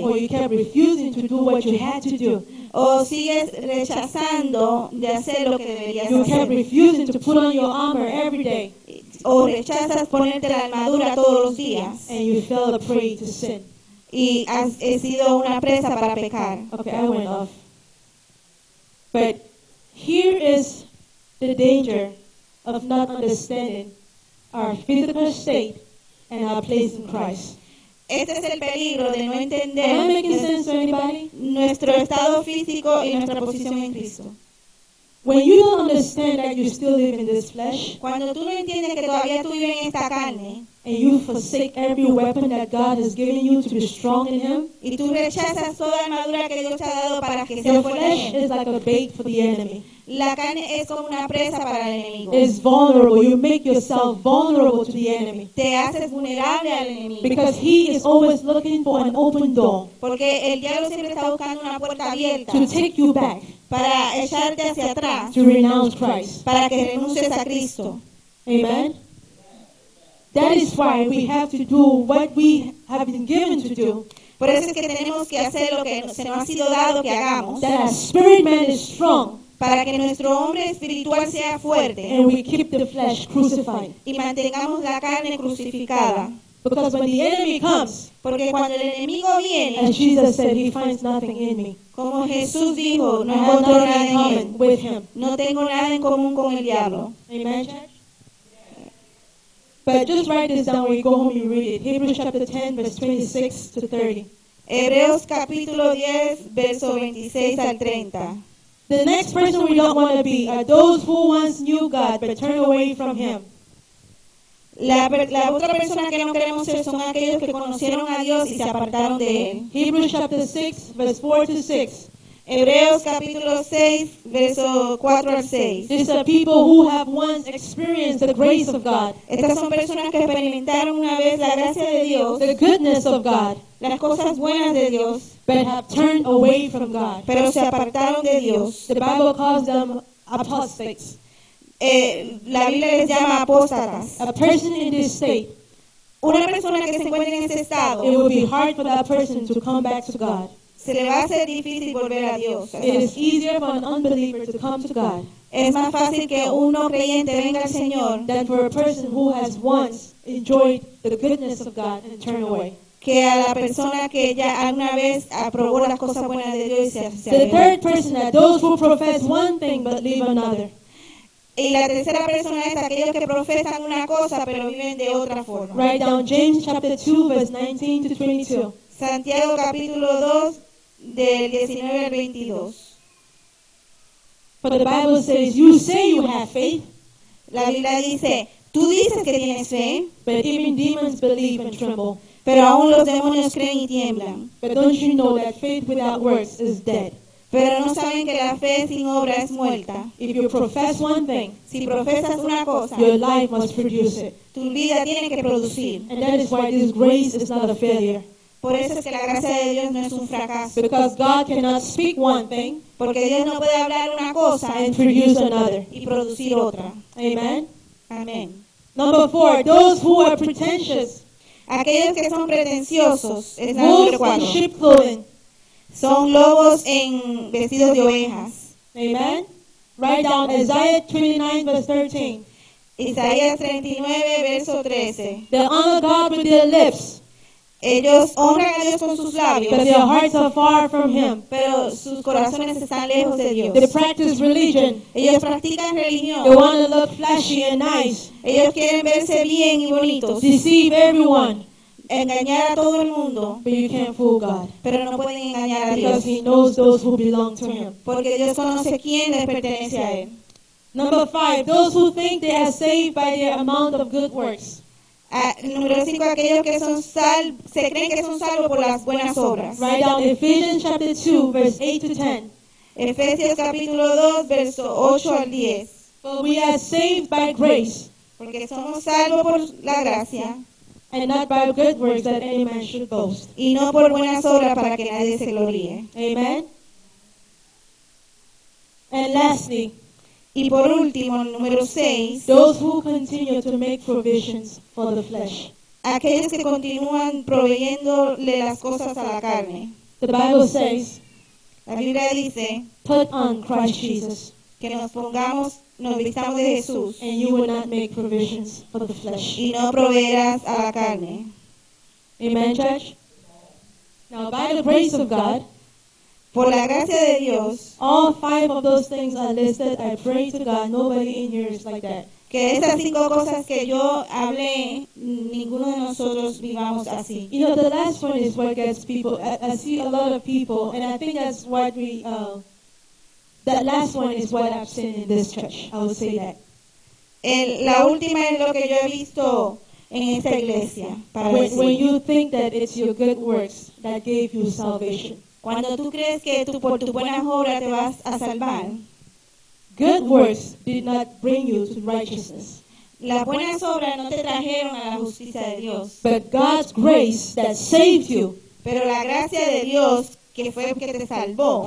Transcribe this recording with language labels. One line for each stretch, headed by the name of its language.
English: Or you kept refusing to do what you had to do.
Spanish: O sigues rechazando de hacer lo que deberías hacer.
English: You kept refusing to put on your armor every day.
Spanish: O rechazas ponerte la armadura todos los días.
English: And you fell a prey to sin.
Spanish: Y has sido una presa para pecar.
English: Okay, I went off. But here is the danger of not understanding our physical state and our place in Christ.
Spanish: Este es el peligro de no entender.
English: Am I making sense to anybody?
Spanish: Nuestro estado físico y nuestra posición en Cristo.
English: When you don't understand that you still live in this flesh,
Spanish: cuando tú no entiendes que todavía tú vives en esta carne,
English: And you forsake every weapon that God has given you to be strong in Him.
Spanish: Y tú rechazas toda armadura que Dios ha dado para que sea fuerte.
English: Your flesh is like a bait for the enemy.
Spanish: La carne es como una presa para el enemigo.
English: It's vulnerable. You make yourself vulnerable to the enemy.
Spanish: Te haces vulnerable al enemigo.
English: Because he is always looking for an open door.
Spanish: Porque el diablo siempre está buscando una puerta abierta.
English: To take you back.
Spanish: Para echarte hacia atrás.
English: To renounce Christ.
Spanish: Para que renuncies a Cristo.
English: Amen. That is why we have to do what we have been given to do.
Spanish: Por eso es que tenemos que hacer lo que se nos ha sido dado que hagamos.
English: That our spirit man is strong.
Spanish: Para que nuestro hombre espiritual sea fuerte.
English: And we keep the flesh crucified.
Spanish: Y mantengamos la carne crucificada.
English: Because when the enemy comes,
Spanish: porque cuando el enemigo viene,
English: as Jesus said, he finds nothing in me.
Spanish: Como Jesús dijo, no encuentro nada en
English: common
Spanish: él.
English: With him.
Spanish: No tengo nada en común con el diablo.
English: Amen. But just write this down when you go home and read it. Hebrews chapter 10, verse 26 to 30.
Spanish: Hebreos capítulo 10, verso 26 al 30.
English: The next person we don't want to be are those who once knew God but turned away from Him.
Spanish: La otra persona que no queremos ser son aquellos que conocieron a Dios y se apartaron de Él.
English: Hebrews chapter 6, verse 4 to 6.
Spanish: Hebreos capítulo 6, verso 4 al 6.
English: These are people who have once experienced the grace of God.
Spanish: Estas son personas que experimentaron una vez la gracia de Dios.
English: The goodness of God.
Spanish: Las cosas buenas de Dios.
English: But have turned away from God.
Spanish: Pero se apartaron de Dios.
English: The Bible calls them apostates.
Spanish: La Biblia les llama apóstatas.
English: A person in this state.
Spanish: Una persona que se encuentra en ese estado.
English: It would be hard for that person to come back to God.
Spanish: Se le va a hacer difícil volver a Dios.
English: It is easier for an unbeliever to come to God.
Spanish: Es más fácil que un no creyente venga al Señor.
English: Than for a person who has once enjoyed the goodness of God and turned away.
Spanish: Que a la persona que ya alguna vez aprobó las cosas buenas de Dios y se hace.
English: The third person are those who profess one thing but leave another.
Spanish: Y la tercera persona es aquellos que profesan una cosa pero viven de otra forma.
English: Write down James chapter 2 verse 19 to 22.
Spanish: Santiago capítulo 2 del 19 al 22.
English: But the Bible says you say you have faith.
Spanish: La Biblia dice, tú dices que tienes fe.
English: But even demons believe and tremble.
Spanish: Pero aún los demonios creen y tiemblan.
English: But don't you know that faith without works is dead?
Spanish: Pero no saben que la fe sin obra es muerta.
English: If you profess one thing,
Spanish: si profesas una cosa,
English: your life must produce it.
Spanish: Tu vida tiene que producir.
English: And that is why this grace is not a failure.
Spanish: Por eso es que la gracia de Dios no es un fracaso.
English: Because God cannot speak one thing.
Spanish: Porque Dios no puede hablar una cosa.
English: And produce another.
Spanish: Y producir otra.
English: Amen. Amen. Number four, those who are pretentious.
Spanish: Aquellos que son pretenciosos. Es
English: wolves in sheep clothing.
Spanish: Son lobos en vestidos de ovejas.
English: Amen. Write down Isaiah 29 verse 13.
Spanish: Isaías 39 verso 13.
English: They honor God with their lips.
Spanish: Ellos honran a Dios con sus labios,
English: but their hearts are far from Him.
Spanish: Pero sus corazones están lejos de Dios.
English: They practice religion.
Spanish: Ellos practican religión.
English: They want to look flashy and nice.
Spanish: Ellos quieren verse bien y bonitos.
English: Deceive everyone.
Spanish: Engañar a todo el mundo.
English: But you can't fool God.
Spanish: Pero no pueden engañar a Dios.
English: Because He knows those who belong to Him.
Spanish: Porque Dios conoce quién les pertenece a Él.
English: Number five, those who think they are saved by their amount of good works.
Spanish: Número 5, aquellos que son se creen que son salvos por las buenas obras.
English: Write down Ephesians chapter 2, verse 8 to 10.
Spanish: Efesios capítulo 2, verso 8 al 10.
English: For we are saved by grace.
Spanish: Porque somos salvos por la gracia.
English: And not by good works that any man should boast.
Spanish: Y no por buenas obras para que nadie se gloríe.
English: Amen. And lastly.
Spanish: Y por último, número 6.
English: Those who continue to make provisions. For the flesh.
Spanish: Aquellos que continúan proveyéndole las cosas a la carne.
English: The Bible says.
Spanish: La Biblia dice.
English: Put on Christ Jesus.
Spanish: Que nos pongamos, nos vistamos de Jesús.
English: And you will not make provisions for the flesh.
Spanish: Y no proveerás a la carne.
English: Amen, church? Now, by the grace of God.
Spanish: Por la gracia de Dios.
English: All five of those things are listed. I pray to God. Nobody in here is like that.
Spanish: Que esas cinco cosas que yo hablé, ninguno de nosotros vivamos así.
English: You know, the last one is what gets people. I see a lot of people, and I think that's what we, that last one is what I've seen in this church. I would say that.
Spanish: La última es lo que yo he visto en esta iglesia para decir,
English: when you think that it's your good works that gave you salvation.
Spanish: Cuando tú crees que tú por tu buena obra te vas a salvar.
English: Good works did not bring you to righteousness.
Spanish: Las buenas obras no te trajeron a la justicia de Dios.
English: But God's grace that saved you.
Spanish: Pero la gracia de Dios que fue que te salvó.